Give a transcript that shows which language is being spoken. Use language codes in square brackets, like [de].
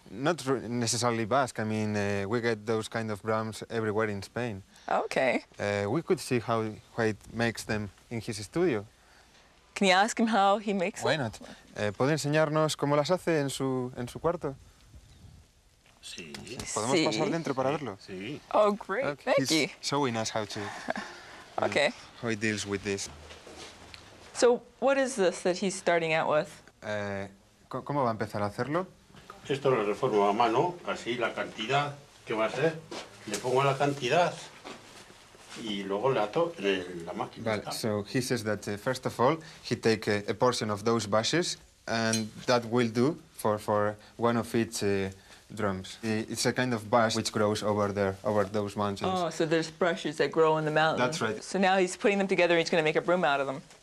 [en] Not necessarily Basque. I mean, we get those kind of brooms everywhere in Spain. Okay. We could see how he makes them in his studio. Can you ask him how he makes them? Why not? [es] ¿Puede enseñarnos cómo las hace en su cuarto? Sí. ¿Podemos pasar dentro para verlo? Sí. [en] Oh, great. Okay. Thank He's you. Showing us how to... Okay. How he deals with this. So, what is this that he's starting out with? [es] ¿Cómo va a empezar a hacerlo? Esto lo reformo a mano, así la cantidad. ¿Qué va a ser? Le pongo la cantidad y luego le ato en la máquina. [en] Vale, so he says that first of all, he take a portion of those bushes and that will do for one of its drums. It's a kind of bush which grows over there, over those mountains. Oh, so there's brushes that grow in the mountains. That's right. So now he's putting them together and he's going to make a broom out of them.